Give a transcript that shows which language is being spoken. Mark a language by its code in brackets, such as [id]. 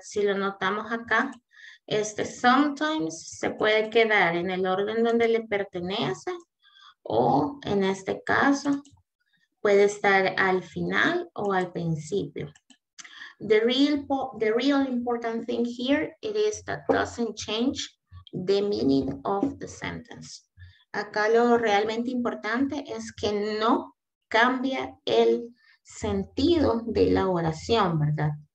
[es] Si lo notamos acá, este sometimes se puede quedar en el orden donde le pertenece o en este caso puede estar al final o al principio. [en] The real important thing here it is that doesn't change the meaning of the sentence. [es] Acá lo realmente importante es que no cambia el sentido de la oración, ¿verdad?